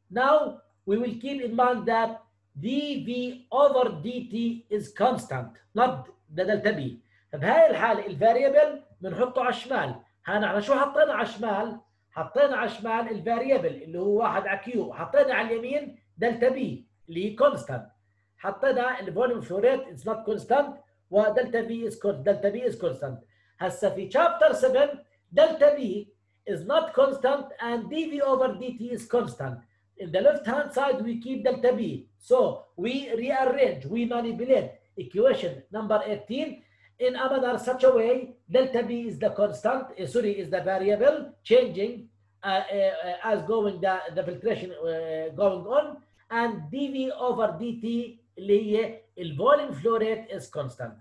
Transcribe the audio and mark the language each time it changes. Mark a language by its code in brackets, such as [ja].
[en] Now we will keep in mind that dV over dt is constant, not the delta B. [ar] فبهاي الحالة الـ variable بنحطه على الشمال. هنا احنا شو حطينا على الشمال؟ حطينا على الشمال الـ variable اللي هو 1 على Q، حطينا على اليمين دلتا B اللي هي constant. حطينا الـ [en] volume flow rate is not constant [ar] ودلتا [en] B is constant. Delta B is constant. [ar] هسا في [en] chapter 7 delta B is not constant and dV over dt is constant. In the left hand side we keep delta B. So we rearrange, we manipulate equation number 18 in a manner such a way delta B is the constant, sorry, is the variable changing as going the filtration going on and dV over dt [ar] اللي هي [en] volume flow rate is constant.